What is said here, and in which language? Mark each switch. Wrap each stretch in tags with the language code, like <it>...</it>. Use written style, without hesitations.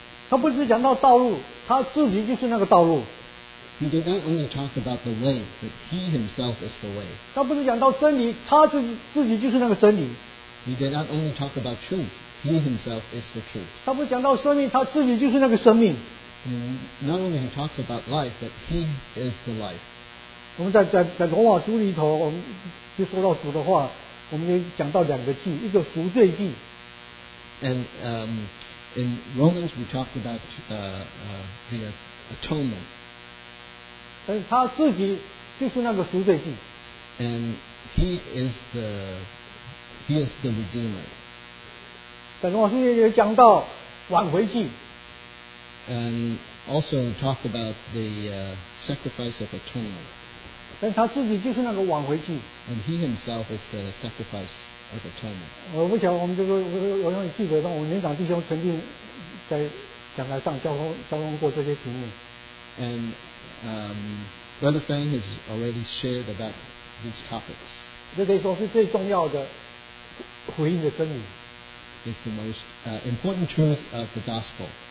<zh>他不是讲到道路，他自己就是那个道路。</zh> <en>He did not only talk about the way, but he himself is the way.</en> <zh>他不是讲到真理，他自己就是那个真理。</zh> <en>He did not only talk about truth, he himself is the truth.</en> <zh>他不是讲到生命，他自己就是那个生命。</zh> <en>And not only he talks about life, but he is the life.</en> <zh>我们在罗马书里头，我们就说到主的话，我们也讲到两个祭，一个赎罪祭。</zh> <en>And in Romans we talked about the atonement.</en> <zh>但是他自己就是那个赎罪祭。</zh> <en>And he is the redeemer.</en> <zh>在罗马书里也讲到挽回祭。</zh> <en>And also talk about the sacrifice of atonement.</en> <zh>但他自己就是那个挽回祭。</zh> <en>And he himself is the sacrifice of atonement.</en> <zh>我不晓得我们这个，我永远记得，我年长弟兄曾经在讲台上交通过这些题目。</zh> <en>And Brother Fang has already shared about these topics.</en> <zh>这可以说是最重要的福音的真理。</zh> <en>It's the most important truth of the gospel.</en>